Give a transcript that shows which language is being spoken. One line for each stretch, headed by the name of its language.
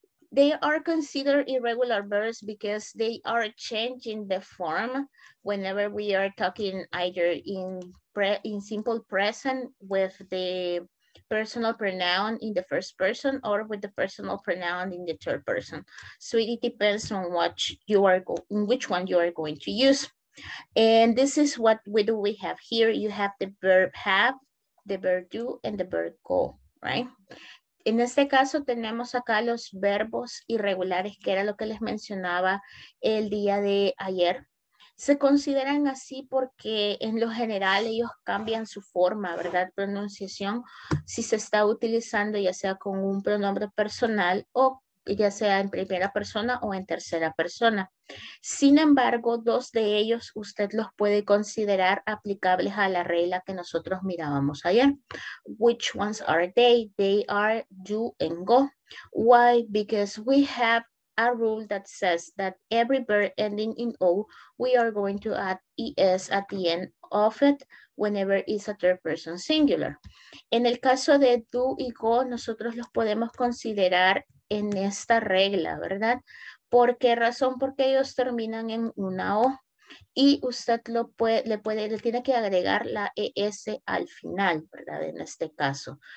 English: They are considered irregular verbs because they are changing the form whenever we are talking either in simple present with the personal pronoun in the first person or with the personal pronoun in the third person. So it depends on what you are which one you are going to use. And this is what we do. We have here. You have the verb have, the verb do, and the verb go. Right.
Spanish: En este caso tenemos acá los verbos irregulares, que era lo que les mencionaba el día de ayer. Se consideran así porque en lo general ellos cambian su forma, ¿verdad? Pronunciación, si se está utilizando ya sea con un pronombre personal o ya sea en primera persona o en tercera persona. Sin embargo, dos de ellos usted los puede considerar aplicables a la regla que nosotros mirábamos ayer.
English: Which ones are they? They are do and go. Why? Because we have a rule that says that every verb ending in O, we are going to add ES at the end of it whenever it's a third person singular.
Spanish: En el caso de do y go, nosotros los podemos considerar en esta regla, ¿verdad? ¿Por qué razón? Porque ellos terminan en una O y usted lo puede, le tiene que agregar la ES al final, ¿verdad? En este caso.